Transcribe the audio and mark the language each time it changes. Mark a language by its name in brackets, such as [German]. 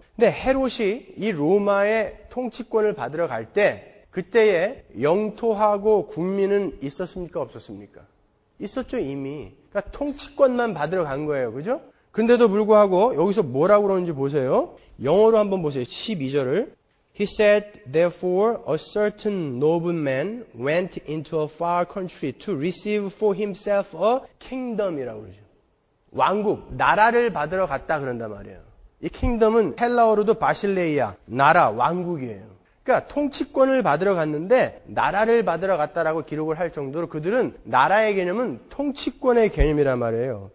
[Korean] 근데 헤롯이 이 로마의 통치권을 받으러 갈 때 그때의 영토하고 국민은 있었습니까? 없었습니까? 있었죠, 이미. 그러니까 통치권만 받으러 간 거예요. 그죠? 그런데도 불구하고 여기서 뭐라고 그러는지 보세요. 영어로 한번 보세요. 12절을. [English] He said, therefore, a certain nobleman went into a far country to receive for himself a kingdom. [Korean] 이라고 그러죠. 왕국, 나라를 받으러 갔다 그런단 말이에요. 이 kingdom은 헬라어로도 바실레이아, 나라, 왕국이에요. 그러니까 통치권을 받으러 갔는데 나라를 받으러 갔다라고 기록을 할 정도로 그들은 나라의 개념은 통치권의 개념이란 말이에요.